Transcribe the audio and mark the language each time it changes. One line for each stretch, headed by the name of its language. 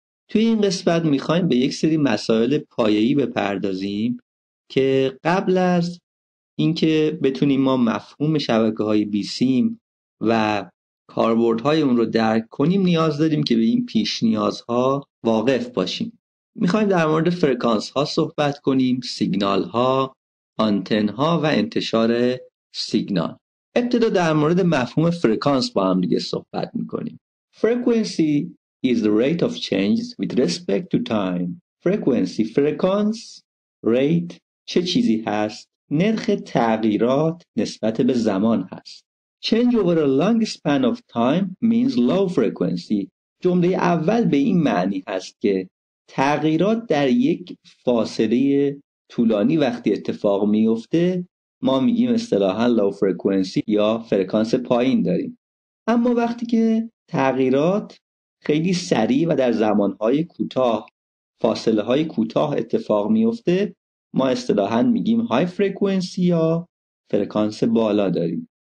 Persian: توی این قسمت میخواییم به یک سری مسائل پایه‌ای بپردازیم که قبل از اینکه بتونیم ما مفهوم شبکه های بی سیم و کاربرد های اون رو درک کنیم نیاز داریم که به این پیش نیاز ها واقف باشیم. میخواییم در مورد فرکانس ها صحبت کنیم، سیگنال ها، آنتن ها و انتشار سیگنال. ابتدا در مورد مفهوم فرکانس با هم دیگه صحبت میکنیم.
English: Frequency is the rate of change with respect to time. Frequency, frequency, rate,
Persian: چه چیزی هست؟ نرخ تغییرات نسبت به زمان هست.
English: Change over a long span of time means low frequency.
Persian: جمله اول به این معنی هست که تغییرات در یک فاصله طولانی وقتی اتفاق میفته ما میگیم اصطلاحاً low frequency یا فرکانس پایین داریم. اما وقتی که تغییرات خیلی سریع و در زمانهای کوتاه، فاصله‌های کوتاه اتفاق میفته ما اصطلاحاً میگیم high frequency یا فرکانس بالا داریم.